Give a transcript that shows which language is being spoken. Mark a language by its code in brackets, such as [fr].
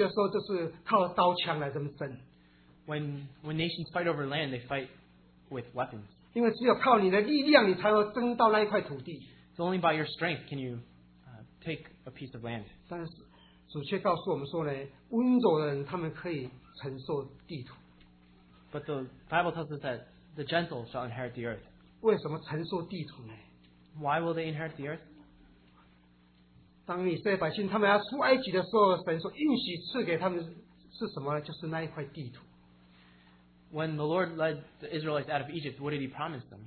[zh] 我们看今天国之国上面争土地的时候就是靠刀枪来这么争。 [en] When nations fight over land, they fight with weapons. [zh] 因为只有靠你的力量你才会争到那一块土地。 [en] It's only by your strength can you take a piece of land. [zh] 但是主却告诉我们说呢，温柔的人他们可以承受地土。 [en] But the Bible tells us that the gentle shall inherit the earth. [zh] 为什么承受地土呢？ [en] Why will they inherit the earth? [zh] 当以色列百姓他们要出埃及的时候，神说应许赐给他们是什么呢？就是那一块地土。 [en] When the Lord led the Israelites out of Egypt, what did he promise them?